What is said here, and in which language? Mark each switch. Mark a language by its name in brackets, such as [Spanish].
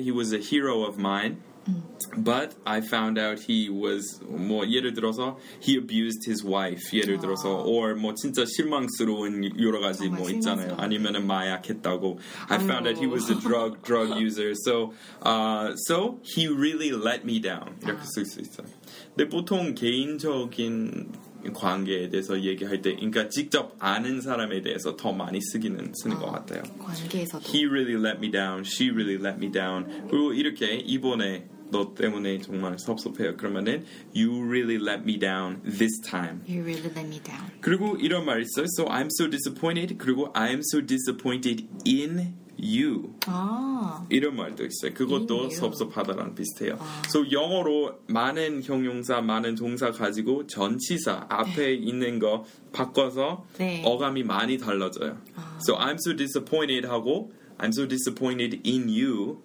[English] He was a hero of mine. But I found out he was [Korean] 뭐 예를 들어서 [English] he abused his wife [Korean] 예를 들어서 [English] or [Korean] 뭐 진짜 실망스러운 여러 가지 뭐 있잖아요 아니면은 마약했다고 [English] I found out he was a drug user so he really let me down [Korean] 이렇게 쓸 수 있어요. 근데 보통 개인적인 관계에 대해서 얘기할 때 그러니까 직접 아는 사람에 대해서 더 많이 쓰는 것 같아요. 관계에서도 [English] he really let me down, she really let me down. [Korean] 그리고 이렇게 이번에 너 때문에 정말 섭섭해요. [English] 그러면은 you really let me down this time. You really let me down. 그리고 이런 말 있어요. So I'm so disappointed. 그리고 I am so disappointed in you. [Korean] 이런 말도 있어요. 그것도 섭섭하다랑 비슷해요. So 영어로 많은 형용사, 많은 동사 가지고 전치사 앞에 있는 거 바꿔서 네. 어감이 많이 달라져요. [English] So I'm so disappointed 하고 I'm so disappointed in you.